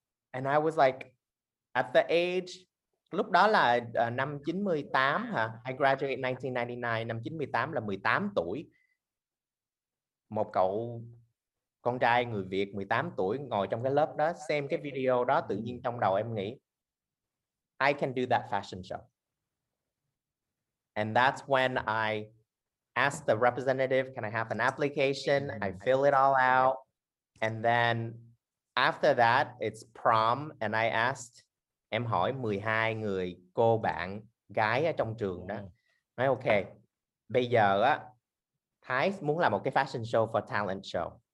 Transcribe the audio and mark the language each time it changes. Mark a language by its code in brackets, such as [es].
[en] And I was like, at the age, [vi] lúc đó là năm 98 hả? [en] I graduated [vi] 1999, năm 98 là 18 tuổi. Một cậu con trai người Việt 18 tuổi ngồi trong cái lớp đó, xem cái video đó, tự nhiên trong đầu em nghĩ, [en] I can do that fashion show. And that's when I asked the representative, can I have an application? I fill it all out. And then after that, it's prom, and I asked, [vi] em hỏi 12 người cô bạn gái ở trong trường đó. Nói ok, bây giờ á, Thái muốn làm một cái fashion show [en] for talent show.